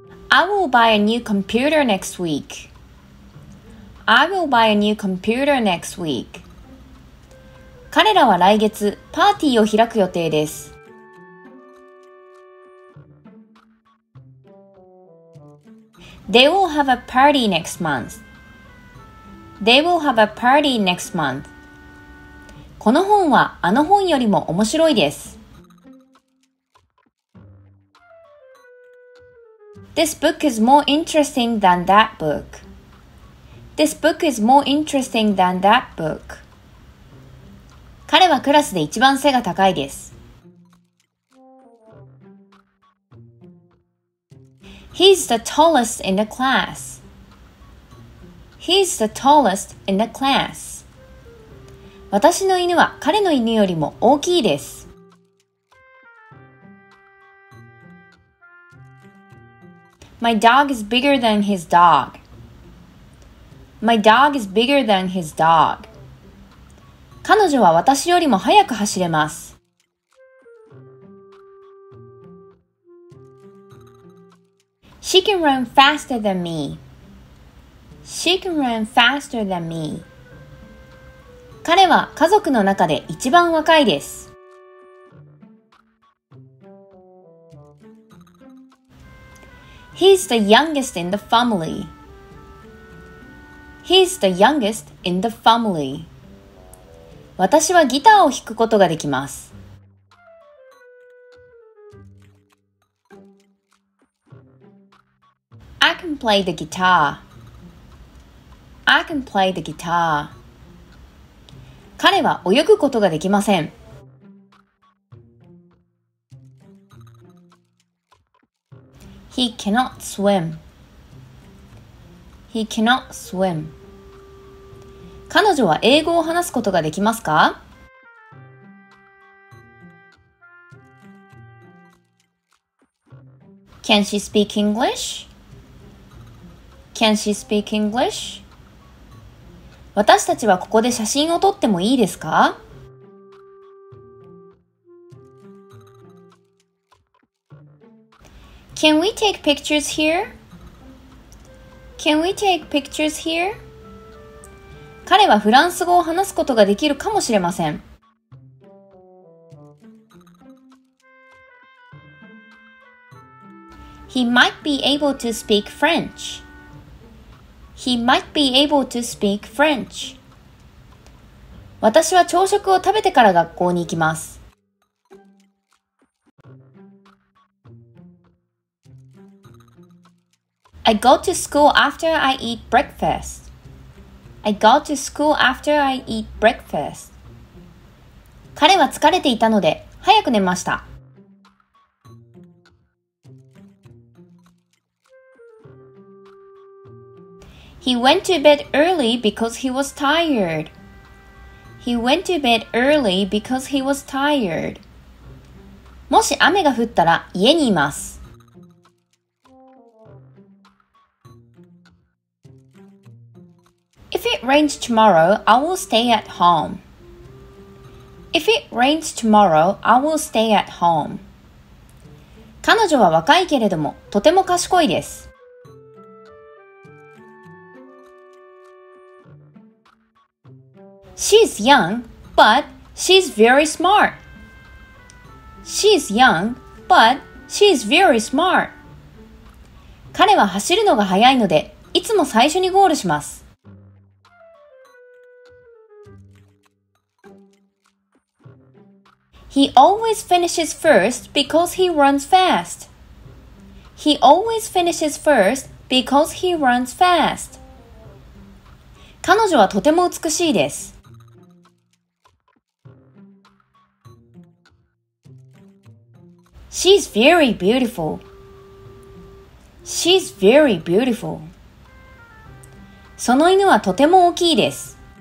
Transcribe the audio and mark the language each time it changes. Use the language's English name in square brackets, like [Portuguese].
[English] I will buy a new computer next week. I will buy a new computer next week. [Japanese] 彼らは来月パーティーを開く予定です。 [English] They will have a party next month. They will have a party next month. [Japanese] この本はあの本よりも面白いです。 [English] This book is more interesting than that book. This book is more interesting than that book. [Japanese] 彼はクラスで一番背が高いです。 [English] He's the tallest in the class. He's the tallest in the class. [Japanese] 私の犬は彼の犬よりも大きいです。 [English] My dog is bigger than his dog. My dog is bigger than his dog. [Japanese] 彼女は私よりも速く走れます。 [English] She can run faster than me. She can run faster than me. [Japanese] 彼は家族の中で一番若いです。 [English] He's the youngest in the family. He's the youngest in the family. [Japanese] 私はギターを弾くことができます。 [English] I can play the guitar. I can play the guitar. [Japanese] 彼は泳ぐことができません。 [English] He cannot swim. He cannot swim. [Japanese] 彼女は英語を話すことができますか? [English] Can she speak English? Can she speak English? [Japanese] 私たちはここで写真を撮ってもいいですか? [English] Can we take pictures here? Can we take pictures here? [Japanese] 彼はフランス語を話すことができるかもしれません。 [English] He might be able to speak French. He might be able to speak French. [Japanese] 私は朝食を食べてから学校に行きます。 [English] I go to school after I eat breakfast. I go to school after I eat breakfast. [Japanese] 彼は疲れていたので、早く寝ました。 [English] He went to bed early because he was tired. He went to bed early because he was tired. [Japanese] もし雨が降ったら、家にいます。 [English] If it rains tomorrow, I will stay at home. If it rains tomorrow, I will stay at home. [Japanese] 彼女は若いけれども、とても賢いです。 [English] She's young, but she's very smart. She's young, but she's very smart. [Japanese] 彼は走るのが早いので、いつも最初にゴールします。 [English] He always finishes first because he runs fast. He always finishes first because he runs fast. [Japanese] 彼女はとても美しいです。 [English] She's very beautiful. She's very beautiful. [Japanese] その犬はとても大きいです。